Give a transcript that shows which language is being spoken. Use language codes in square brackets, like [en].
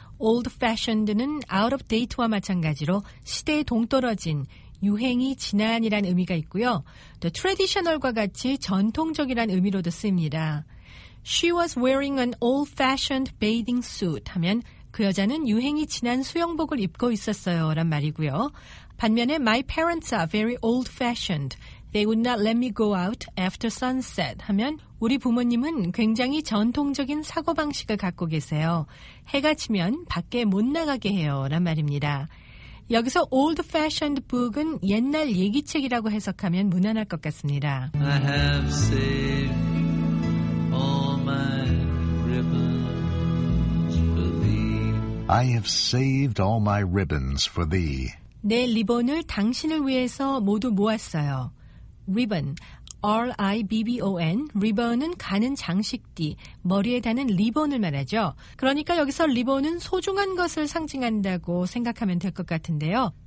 [ko] Old-fashioned는 out of date와 마찬가지로 시대에 동떨어진, 유행이 지난이란 의미가 있고요. The traditional과 같이 전통적이란 의미로도 씁니다. [en] She was wearing an old-fashioned bathing suit [ko] 하면 그 여자는 유행이 지난 수영복을 입고 있었어요 란 말이고요. [en] 반면에 My parents are very old-fashioned. They would not let me go out after sunset [ko] 하면 우리 부모님은 굉장히 전통적인 사고방식을 갖고 계세요. 해가 지면 밖에 못 나가게 해요 란 말입니다. 여기서 old-fashioned book은 옛날 얘기책이라고 해석하면 무난할 것 같습니다. [en] I have saved all my ribbons for thee. I have saved all my ribbons for thee. [ko] 내 리본을 당신을 위해서 모두 모았어요. Ribbon, R-I-B-B-O-N. Ribbon은 가는 장식띠, 머리에 다는 리본을 말하죠. 그러니까 여기서 리본은 소중한 것을 상징한다고 생각하면 될 것 같은데요.